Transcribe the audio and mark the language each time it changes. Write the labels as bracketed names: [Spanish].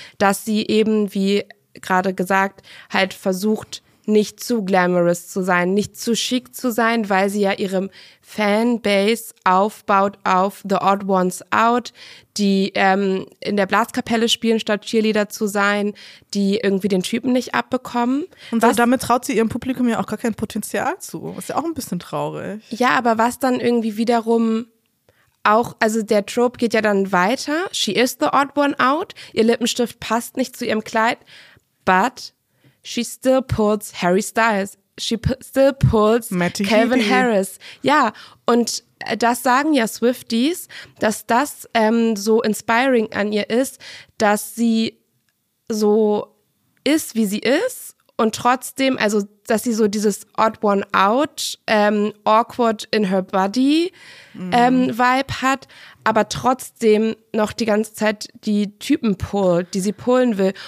[German] dass sie eben, wie gerade gesagt, halt versucht, nicht zu glamorous zu sein, nicht zu chic zu sein, weil sie ja ihre Fanbase aufbaut auf The Odd Ones Out, die in der Blaskapelle spielen, statt Cheerleader zu sein, die irgendwie den Typen nicht abbekommen. Und so, damit traut sie ihrem Publikum ja auch gar kein Potenzial zu. Ist ja auch ein bisschen traurig. Ja, aber was dann irgendwie wiederum auch, also der Trope geht ja dann weiter. [English] She is the odd one out. [German] Ihr Lippenstift passt nicht zu ihrem Kleid. [English] But she still pulls Harry Styles. She still pulls Matty Calvin Heady. Harris. [German] Ja, und das sagen ja Swifties, dass das so inspiring an ihr ist, dass sie so ist, wie sie ist und trotzdem, also dass sie so dieses [English] odd one out, awkward in her body [German] Vibe hat, aber trotzdem noch die ganze Zeit die Typen pullt, die sie pullen will.